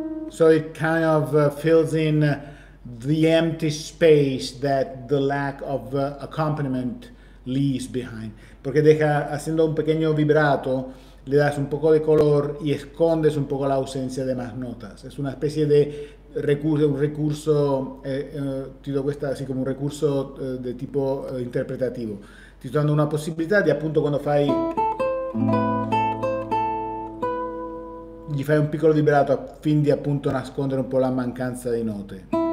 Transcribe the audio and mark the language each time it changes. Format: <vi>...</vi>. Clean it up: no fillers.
<en>So it kind of fills in the empty space that the lack of accompaniment leaves behind.</en> <es>Porque deja haciendo un pequeño vibrato, le das un poco de color y escondes un poco la ausencia de más notas. Es una especie de recurso, un recurso, Tito cuesta así como un recurso de tipo interpretativo.</es> <it>Ti sto dando una possibilità di appunto quando fai. Gli fai un piccolo vibrato a fin di appunto nascondere un po' la mancanza di note.</it>